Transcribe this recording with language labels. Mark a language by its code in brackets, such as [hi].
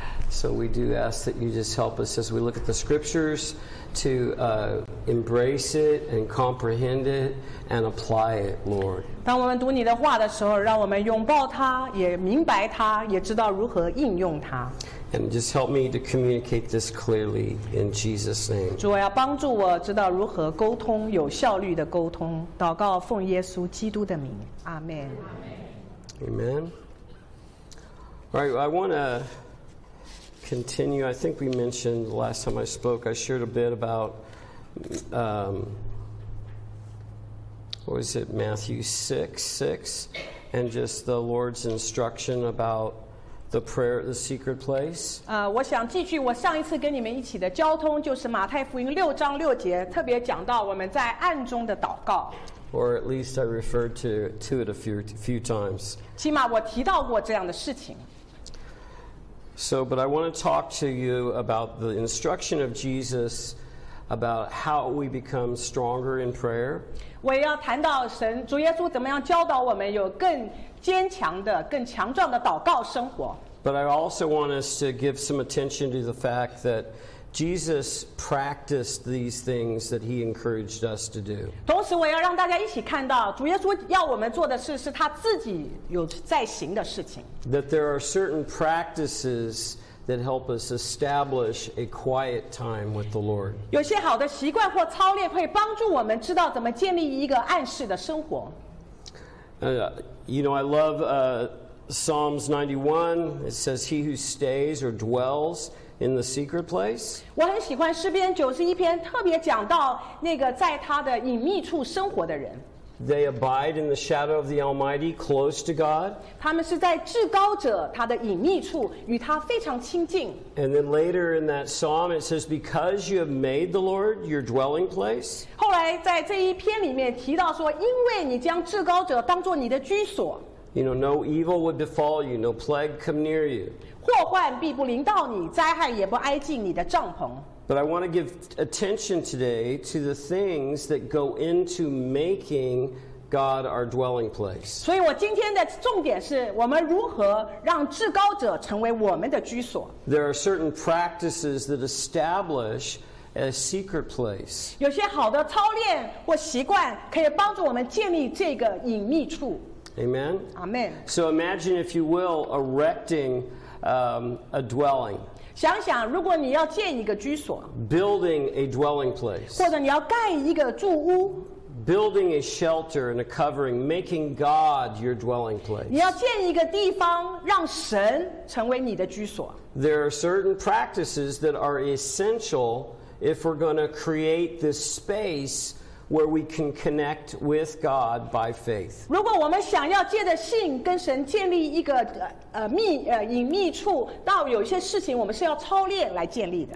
[en] So we do ask that you just help us as we look at the scriptures to embrace it and comprehend it and apply it, Lord. [zh] 当我们读你的话的时候，让我们拥抱它，也明白它，也知道如何应用它。 [en] And just help me to communicate this clearly in Jesus' name. [zh] 主，我要帮助我知道如何沟通，有效率的沟通。祷告奉耶稣基督的名，阿门。 [en] Amen. All right, I want to continue. I think we mentioned last time I spoke, I shared a bit about, what was it, Matthew 6:6, and just the Lord's instruction about the prayer at the secret place. [zh] 我想继续我上一次跟你们一起的交通，就是马太福音六章六节，特别讲到我们在暗中的祷告。 [en] Or at least I referred to it a few times. [zh] 起码我提到过这样的事情。 [en] So, but I want to talk to you about the instruction of Jesus about how we become stronger in prayer. [zh] 我要谈到神主耶稣怎么样教导我们有更坚强的、更强壮的祷告生活。 [en] But I also want us to give some attention to the fact that Jesus practiced these things that he encouraged us to do. [zh] 同时，我要让大家一起看到，主耶稣要我们做的事是他自己有在行的事情。 [en] That there are certain practices that help us establish a quiet time with the Lord. [zh] 有些好的习惯或操练会帮助我们知道怎么建立一个安适的生活。 [en] You know, I love Psalms 91. It says, "He who stays or dwells." In the secret place. [zh] 我很喜欢诗篇九十一篇，特别讲到那个在他的隐秘处生活的人。 [en] They abide in the shadow of the Almighty, close to God. [zh] 他们是在至高者他的隐秘处，与他非常亲近。 [en] And then later in that psalm, it says, "Because you have made the Lord your dwelling place." [zh] 后来在这一篇里面提到说，因为你将至高者当作你的居所。 [en] You know, no evil would befall you, no plague come near you. [zh] 祸患必不临到你，灾害也不挨近你的帐篷。 [en] But I want to give attention today to the things that go into making God our dwelling place. [zh] 所以我今天的重点是我们如何让至高者成为我们的居所。 [en] There are certain practices that establish a secret place. [zh] 有些好的操练或习惯可以帮助我们建立这个隐秘处。 [en] Amen. Amen. So imagine, if you will, erecting a dwelling. [zh] 想想，如果你要建一个居所。 [en] Building a dwelling place. [zh] 或者你要盖一个住屋。 [en] Building a shelter and a covering, making God your dwelling place. [zh] 你要建一个地方，让神成为你的居所。 [en] There are certain practices that are essential if we're going to create this space where we can connect with God by faith. [zh] 如果我们想要借着信跟神建立一个隐秘处，到有些事情我们是要操练来建立的。